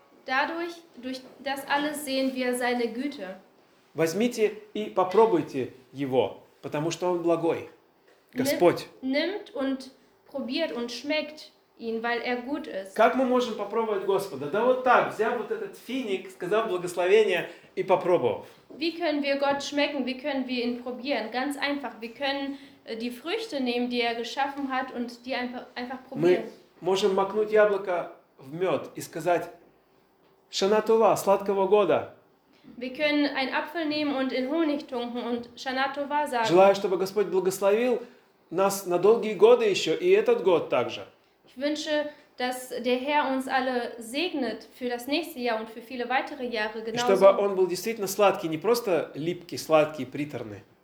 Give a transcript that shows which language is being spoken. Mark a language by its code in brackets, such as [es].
[de] Dadurch, durch das alles sehen wir seine Güte. [ru] Возьмите и попробуйте Его, потому что Он благой. Господь. [de] Nimmt und probiert und schmeckt ihn, weil er gut ist. [ru] Как мы можем попробовать Господа? Да вот так, взяв вот этот финик, сказав благословение и попробовав. [de] Wie können wir Gott schmecken? Wie können wir ihn probieren? Ganz einfach, wir können die Früchte nehmen, die er geschaffen hat und die einfach probieren. [ru] Мы можем макнуть яблоко в мед и сказать: "Шана Това, сладкого года". [de] Wir können einen Apfel nehmen und in Honig tunken und Шана Това sagen. [ru] Желаю, чтобы Господь благословил нас на долгие годы еще и этот год также. [de] Ich wünsche, dass der Herr uns alle segnet für das nächste Jahr und für viele weitere Jahre genauso. [ru] И чтобы он был действительно сладкий, не просто липкий, сладкий, приторный.